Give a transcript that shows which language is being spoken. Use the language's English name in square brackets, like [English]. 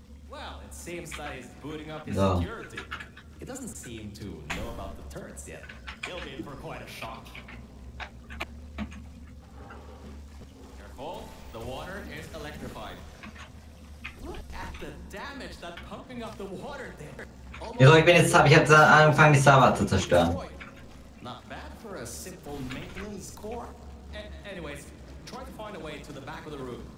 [English] Well, it seems that he's booting up his security. It doesn't seem to know about the turrets yet. He'll be in for quite a shock. The water is electrified. Look at the damage that pumping up the water there. [German] Also, ich hab angefangen, die Server zu zerstören. [English] Not bad for a simple maintenance core. Anyways, try to find a way to the back of the room.